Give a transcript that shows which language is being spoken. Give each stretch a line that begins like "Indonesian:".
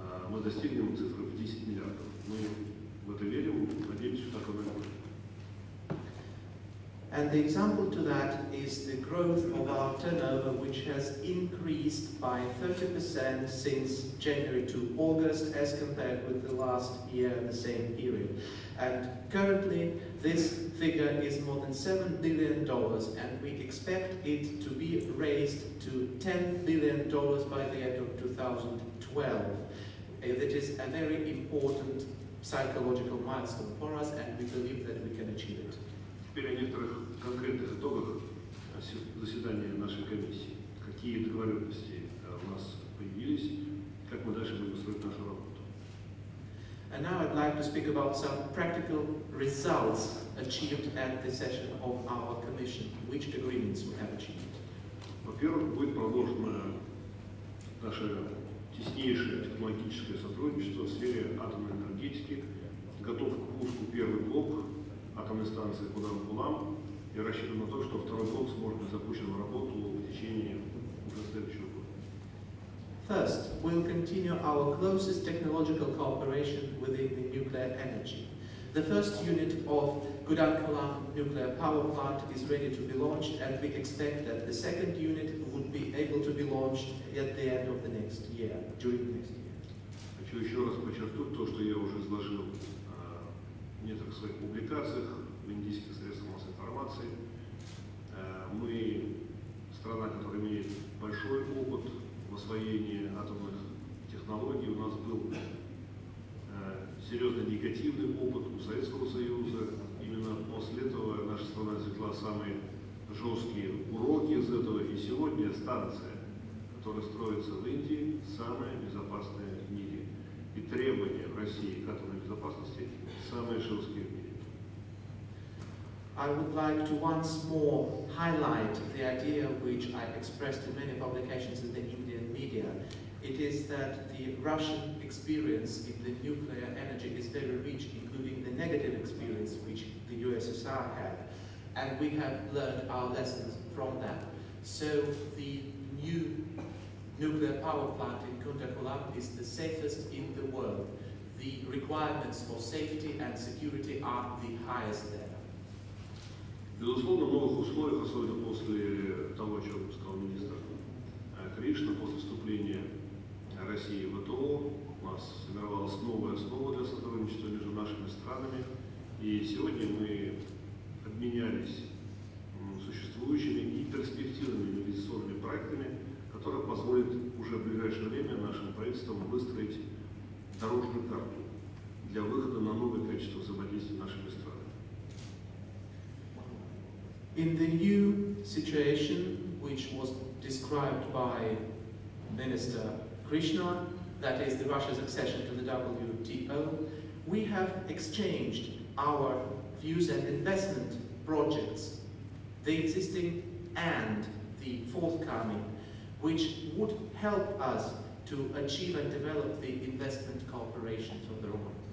Russian: Мы достигнем цифры в 10 миллиардов. Мы в это верим, надеемся, что так оно и будет.
English: And the example to that is the growth of our turnover, which has increased by 30% since January to August as compared with the last year, the same period. And currently, this figure is more than $7 billion, and we expect it to be raised to $10 billion by the end of 2012. That is a very important psychological milestone for us, and we believe that we can achieve it.
Russian: Теперь о некоторых конкретных итогах заседания нашей комиссии. Какие договоренности у нас появились, как мы дальше будем строить нашу работу.
English: And now I'd like to speak about some practical results achieved at the session of our commission. Which agreements we have achieved?
Russian: Во-первых, будет продолжено наше теснейшее технологическое сотрудничество в сфере атомной энергетики, готов к пуску первый блок атомной станции Кудан-Кулам, и рассчитываем на то, что второй блок сможет быть запущен в работу в течение уже следующего года.
English: First, we'll continue our closest technological cooperation within the nuclear energy. The first unit of Kudankulam nuclear power plant is ready to be launched, and we expect that the second unit would be able to be launched at the end of the next year, during the next year.
Russian: Хочу еще раз подчеркнуть то, что я уже изложил в некоторых своих публикациях, в индийских средствах массовой информации. Мы страна, которая имеет большой опыт в освоении атомных технологий у нас был серьезный негативный опыт у Советского Союза. Именно после этого наша страна извлекла самые жесткие уроки из этого. И сегодня станция, которая строится в Индии, самая безопасная в мире. И требования в России к атомной безопасности самые жесткие в мире.
English: I would like to once more highlight the idea which I expressed in many publications in the Indian media. It is that the Russian experience in the nuclear energy is very rich, including the negative experience which the USSR had. And we have learned our lessons from that. So the new nuclear power plant in Kundakulam is the safest in the world. The requirements for safety and security are the highest there.
Russian: Безусловно, в новых условиях, особенно после того, о чем сказал министр Кришна, после вступления России в ВТО, у нас сформировалась новая основа для сотрудничества между нашими странами. И сегодня мы обменялись существующими и перспективными инвестиционными проектами, которые позволят уже в ближайшее время нашим правительствам выстроить дорожную карту для выхода на новые качества взаимодействия нашими странами.
English: In the new situation, which was described by Minister Krishna, that is the Russia's accession to the WTO, we have exchanged our views and investment projects, the existing and the forthcoming, which would help us to achieve and develop the investment cooperation from the Roma.